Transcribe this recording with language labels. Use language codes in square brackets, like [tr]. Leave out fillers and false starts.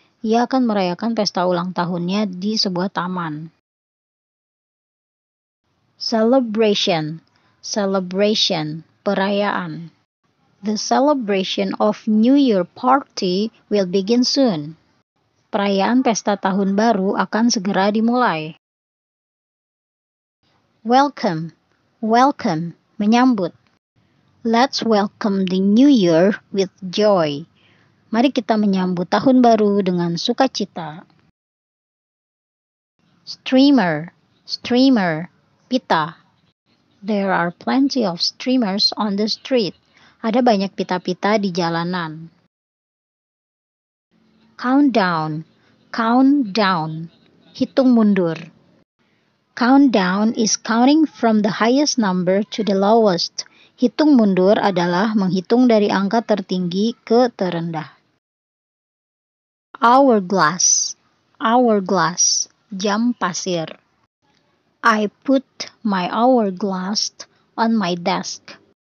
[id] Ia akan merayakan pesta ulang tahunnya di sebuah taman. [en] Celebration, celebration, [id] perayaan. [en] The celebration of New Year party will begin soon. [id] Perayaan pesta tahun baru akan segera dimulai. [en] Welcome, welcome, [id] menyambut. [en] Let's welcome the new year with joy. [id] Mari kita menyambut tahun baru dengan sukacita. [en] Streamer, streamer, [id] pita. [en] There are plenty of streamers on the street. [id] Ada banyak pita-pita di jalanan. [en] Countdown, countdown, [id] hitung mundur. [en] Countdown is counting from the highest number to the lowest. [id] Hitung mundur adalah menghitung dari angka tertinggi ke terendah. [en] Hourglass. Hourglass, [id] jam pasir. [en] I put my hourglass on my desk.